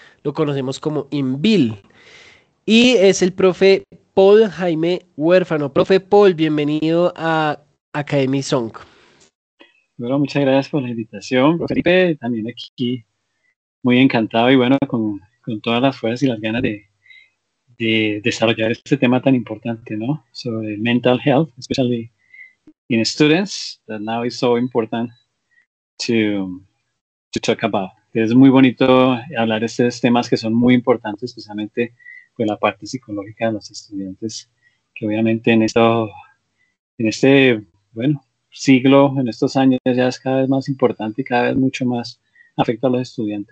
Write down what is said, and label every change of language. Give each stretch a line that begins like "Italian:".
Spanish: Lo conocemos como INVIL. Y es el profe Paul Jaime Huérfano. Profe Paul, bienvenido a Academy Song. Bueno, muchas gracias por la invitación, profe Felipe, también aquí muy encantado y bueno, con todas las fuerzas y las ganas de desarrollar este tema tan importante, ¿no? Sobre
English: mental health, especially in students, that now is so important to talk about.
Spanish: Es muy bonito hablar de estos temas que son muy importantes, especialmente pues la parte psicológica de los estudiantes, que obviamente en este siglo, en estos años, ya es cada vez más importante y cada vez mucho más afecta a los estudiantes.